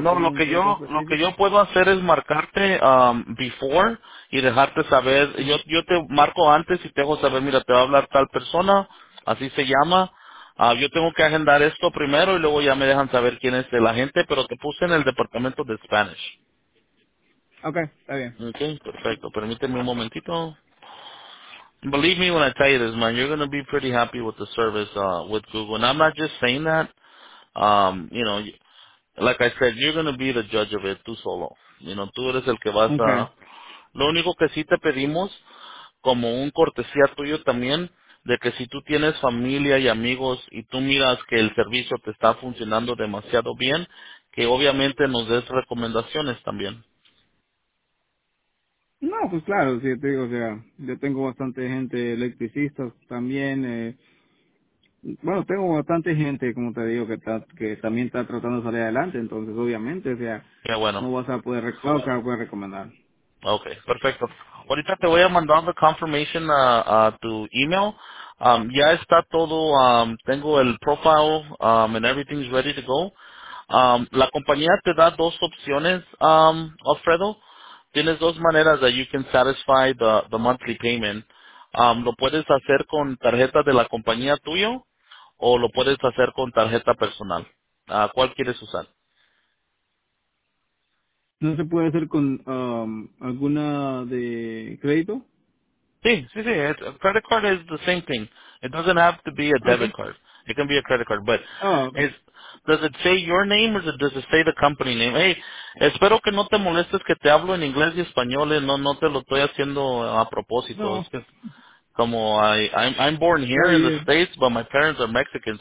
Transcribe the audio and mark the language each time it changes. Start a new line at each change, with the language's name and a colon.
Spanish: no, lo que yo lo que yo puedo hacer es marcarte before y dejarte saber, yo te marco antes y te hago saber, mira, te va a hablar tal persona, así se llama. Yo tengo que agendar esto primero y luego ya me dejan saber quién es el agente, pero te puse en el departamento de Spanish. Okay, está bien. Okay, perfecto. Permíteme un momentito.
English: Believe me when I tell you this, man, you're going to be pretty happy with the service with Google. And I'm not just saying that, you know, like I said, you're going to be the judge of it,
Spanish: tú solo.
English: You know,
Spanish: tú eres el que vas a... Lo único que sí te pedimos, como un cortesía tuyo también, de que si tú tienes familia y amigos y tú miras que el servicio te está funcionando demasiado bien, que obviamente nos des recomendaciones también. No, pues claro, sí, te digo, o sea, yo tengo bastante gente electricista también, bueno, tengo bastante gente, como te digo, que también está tratando de salir adelante, entonces obviamente, o sea, yeah, bueno. No vas a poder recomendar. Recomendar. Okay, perfecto. Ahorita te voy a mandar
English: the confirmation
Spanish: a tu email. Ya está todo, tengo el profile
English: and everything's ready to go.
Spanish: La compañía te da dos opciones, Alfredo. Tienes dos maneras
English: that you can satisfy the monthly payment.
Spanish: Lo puedes hacer con tarjeta de la compañía tuyo o lo puedes hacer con tarjeta personal. ¿Cuál quieres usar? ¿No se puede hacer con alguna de crédito?
English: Sí, sí, sí. A credit card is the same thing. It doesn't have to be a debit card. It can be a credit card. But does it say your name or does it say the company name?
Spanish: Hey, espero que no te molestes que te hablo en inglés y español. No te lo estoy haciendo a propósito. No. Es que, como
English: I'm born here in the States,
Spanish: but my parents are Mexican.